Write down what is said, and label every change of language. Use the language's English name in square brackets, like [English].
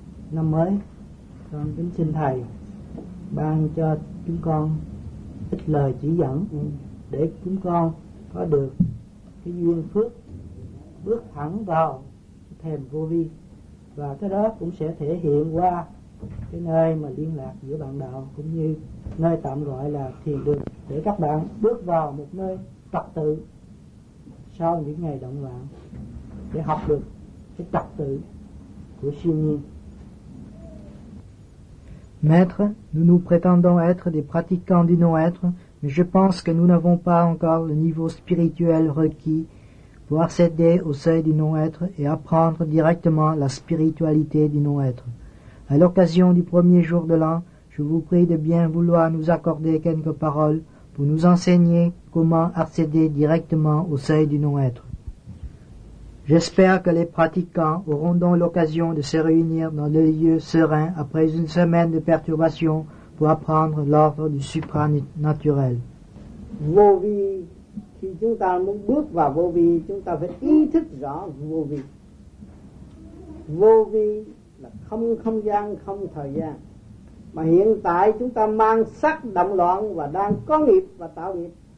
[Vietnamese] Năm mới con kính xin thầy ban cho chúng con ít lời chỉ dẫn để chúng con có được cái duyên phước bước thẳng vào thềm vô vi, và cái đó cũng sẽ thể hiện qua cái nơi mà liên lạc giữa bạn đạo cũng như nơi tạm gọi là thiền đường, để các bạn bước vào một nơi trật tự sau những ngày động loạn để học được cái trật tự của siêu nhiên. [French] Maître, nous nous prétendons être des pratiquants du non-être, mais je pense que nous n'avons pas encore le niveau spirituel requis pour accéder au seuil du non-être et apprendre directement la spiritualité du non-être. À l'occasion du premier jour de l'an, je vous prie de bien vouloir nous accorder quelques paroles pour nous enseigner comment accéder directement au seuil du non-être. J'espère que les pratiquants auront donc l'occasion de se réunir dans le lieu serein après une semaine de perturbations pour apprendre l'ordre du supranaturel. [Vietnamese] Vô vi, khi chúng ta muốn bước vào vô vi, chúng ta phải ý thức rõ vô vi. Vô vi là không không gian, không thời gian. Mà hiện tại chúng ta mang sắc động loạn và đang có nghiệp và tạo nghiệp.